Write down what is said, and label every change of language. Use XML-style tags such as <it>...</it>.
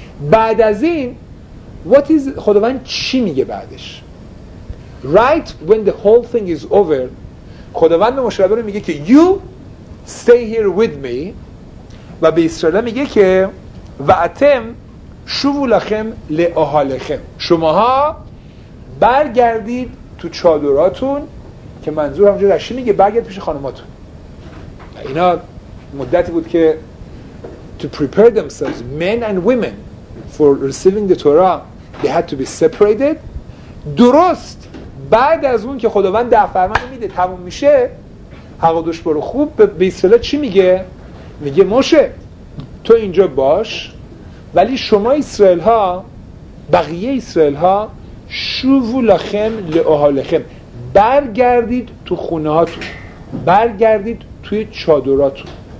<fa>بعد از این</fa> <en>what is</en> <fa>خداوند چی میگه بعدش؟</fa> <en>right when the whole thing is over</en> <fa>خداوند به موسی رو میگه که</fa> <en>you stay here with me</en> <fa>و به اسرائیل میگه که</fa> <he>وعتم شوو لخم لآهالخم</he> <fa>شماها برگردید تو چادراتون که منظور همونجا رشی میگه برگرد پیش خانماتون. اینا مدتی بود که</fa> <en>to prepare themselves men and women for receiving the Torah they had to be separated.</en> <fa>درست بعد از اون که خداوند ده فرمان میده تموم میشه حقودش برو خوب به اصطلاح چی میگه؟ میگه موشه تو اینجا باش ولی شما اسرائیل ها، بقیه اسرائیل ها،</fa> <he>شوو لخم لآهالخم،</he> <fa>برگردید تو خونه هاتون، برگردید توی چادراتون.</fa>